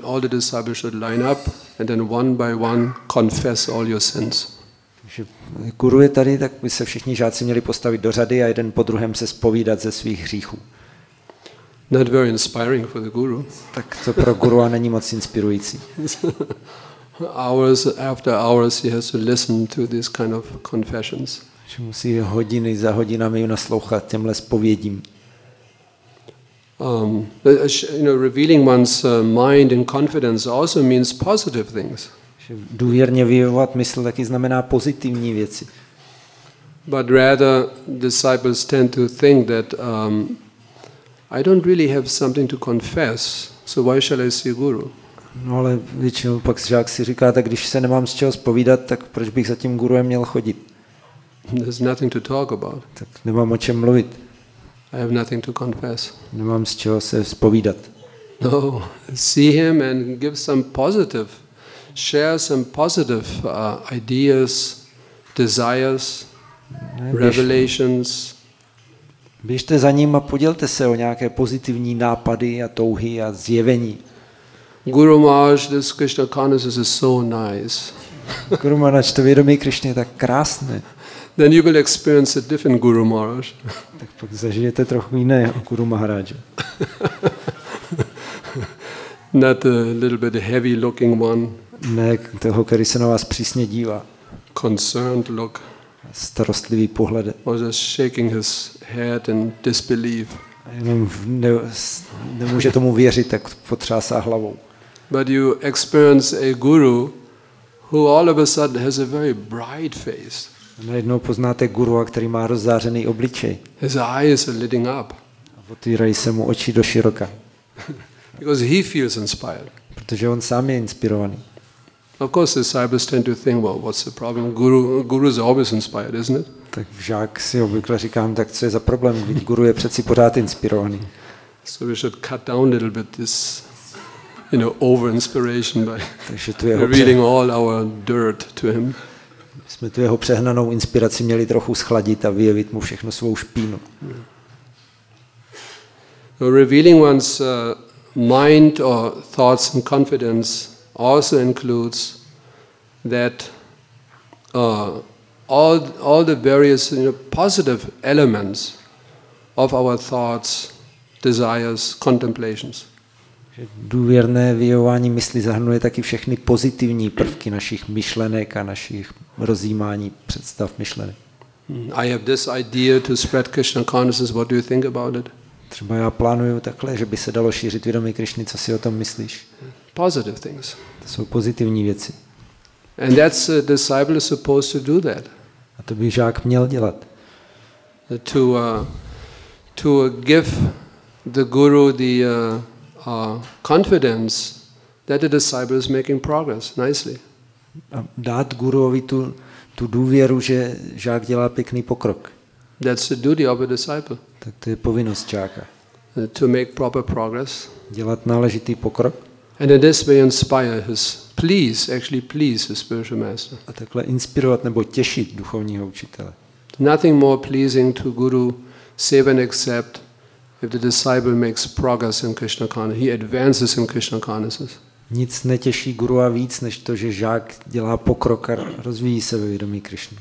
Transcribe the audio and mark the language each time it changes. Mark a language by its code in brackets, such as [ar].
[en] All the disciples should line up, and then one by one confess all your sins. [cs] Guru je tady, tak by se všichni žáci měli postavit do řady a jeden po druhém se zpovídat ze svých hříchů. [en] Not very inspiring for the guru. [cs] Tak to pro gurua není moc inspirující. [en] Hours after hours he has to listen to this kind of confessions. [cs] Že musí hodiny za hodinami naslouchat těmhle zpovědím. [en] You know, revealing one's mind and confidence also means positive things. [cs] Že důvěrně vyjevovat mysl taky znamená pozitivní věci. [en] But rather disciples tend to think that I don't really have something to confess, so why shall I see guru? [cs] No ale většinou pak žák si říká, tak když se nemám z čeho zpovídat, tak proč bych za tím guruem měl chodit? [en] There's nothing to talk about. [cs] Tak nemám o čem mluvit. [en] I have nothing to confess. [cs] Nemám z čeho se zpovídat. [en] No, see him and give some positive, share some positive ideas, desires, revelations. [cs] Běžte za ním a podělte se o nějaké pozitivní nápady a touhy a zjevení. [en] Guru Maharaj, this Krishna consciousness is so nice. [cs] Guru Maharaj, to vědomí Krishna je tak krásné. [en] Then you will experience a different Guru Maharaj. [cs] Tak pak zažijete trochu jiného Guru Maharaja. [en] Not a little bit heavy looking one. [cs] Ne toho, který se na vás přísně dívá. [en] Concerned look. [cs] Starostlivý pohled. [en] Or just shaking his head in disbelief. [cs] jenom nemůže tomu věřit, tak potřásá hlavou. [en] But you experience a guru who all of a sudden has a very bright face. [cs] A najednou poznáte gurua, který má rozzářený obličej. [en] His eyes are lighting up. [cs] A otvírají se mu oči do široka. [en] Because he feels inspired. [cs] Protože on sám je inspirovaný. [en] Of course, the disciples tend to think, well, what's the problem? Guru is always inspired, isn't it? [cs] Tak žák si obvykle říkám, tak co je za problém? Vidí, guru je přeci pořád inspirovaný. [en] So we should cut down a little bit this, you know, over-inspiration by revealing all our dirt to him. [cs] Jsme tu jeho přehnanou inspiraci měli trochu schladit a vyjevit mu všechno svou špínu. [en] So revealing one's mind or thoughts and confidence also includes that all the various, you know, positive elements of our thoughts, desires, contemplations. [cs] Důvěrné vyjevování mysli zahrnuje taky všechny pozitivní prvky našich myšlenek a našich rozjímání představ myšlenek. [en] I have this idea to spread Krishna consciousness. What do you think about it? [cs] Třeba já plánuju takhle, že by se dalo šířit vědomí Krišny. Co si o tom myslíš? [en] Positive things. [cs] To jsou pozitivní věci. [en] And that's a disciple is supposed to do that. [cs] A to by žák měl dělat. [en] To give the guru the confidence that the disciple is making progress nicely. [cs] A dát guruovi tu důvěru, že žák dělá pěkný pokrok. [en] That's the duty of a disciple. [cs] Tak to je povinnost žáka. [en] To make proper progress. [cs] Dělat náležitý pokrok. [en] And in this way inspire his, please, actually please his spiritual master. [cs] A takhle inspirovat nebo těšit duchovního učitele. [en] Nothing more pleasing to guru save and except if the disciple makes progress in Krishna consciousness. He advances in Krishna consciousness. [cs] Nic netěší guru a víc, než to, že žák dělá pokrok a rozvíjí se ve vědomí Krišny.